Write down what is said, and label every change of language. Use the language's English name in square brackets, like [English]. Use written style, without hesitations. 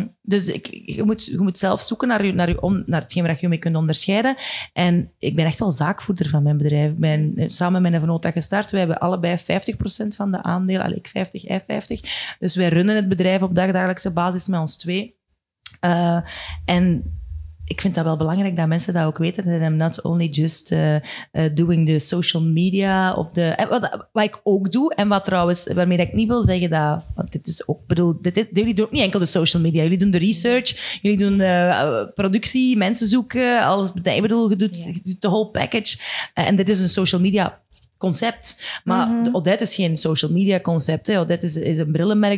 [Dutch] Dus je moet zelf zoeken naar hetgeen waar je mee kunt onderscheiden. En ik ben echt wel zaakvoerder van mijn bedrijf. Samen met een vennoot dat gestart, wij hebben allebei 50% van de aandeel. Allee, ik 50, hij 50. Dus wij runnen het bedrijf op dagelijkse basis met ons 2. En ik vind dat wel belangrijk dat mensen dat ook weten. [English] That I'm not only just doing the social media. [Dutch] Wat ik ook doe. En wat trouwens, waarmee ik niet wil zeggen dat... Want dit is ook... jullie doen ook niet enkel de social media. Jullie doen de research. Jullie doen de productie. Mensen zoeken. Alles. Je doet de whole package. En dit is een social media concept. Maar Odette is geen social media concept. Hè. Odette is een brillenmerk.